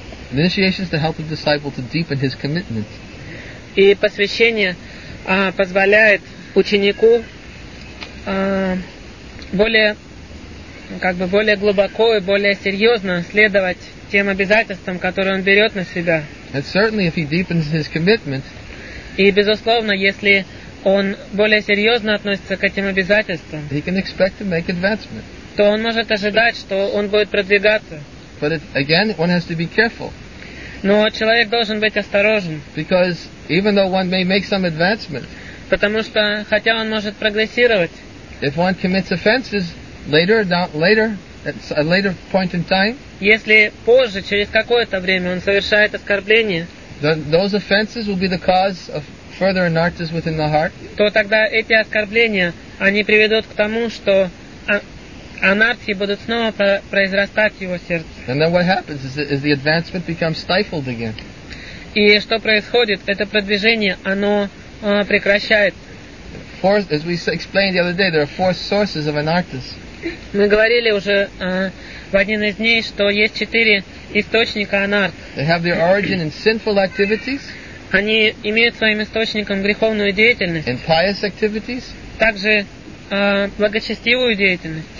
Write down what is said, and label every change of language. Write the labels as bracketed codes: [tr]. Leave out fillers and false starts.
[en] Initiation is to help the disciple to deepen his commitment. [ru] И посвящение позволяет ученику более, как бы более глубоко и более серьезно следовать тем обязательствам, которые он берет на себя. [en] And certainly, if he deepens his commitment. [ru] И безусловно, если он более серьезно относится к этим обязательствам, [en] he can expect to make advancement. [ru] То он может ожидать, что он будет продвигаться. [en] But again, one has to be careful. [ru] Но человек должен быть осторожен. [en] Because even though one may make some advancement, [ru] потому что хотя он может прогрессировать, [en] if one commits offenses later, later, at a later point in time, [ru] если позже, через какое-то время, он совершает оскорбление, [en] those offenses will be the cause of further anarthas within the heart. [ru] То тогда эти оскорбления, они приведут к тому, что анархии будут снова произрастать в его сердце. [en] And then what happens is the advancement becomes stifled again. [ru] И что происходит? Это продвижение, оно прекращает. [en] As we explained the other day, there are four sources of anarthas. [ru] Мы говорили уже в один из дней, что есть четыре источника анарт. [en] They have their origin in sinful activities. [ru] Они имеют своим источником греховную деятельность. [en] In pious activities. [ru] Также благочестивую деятельность.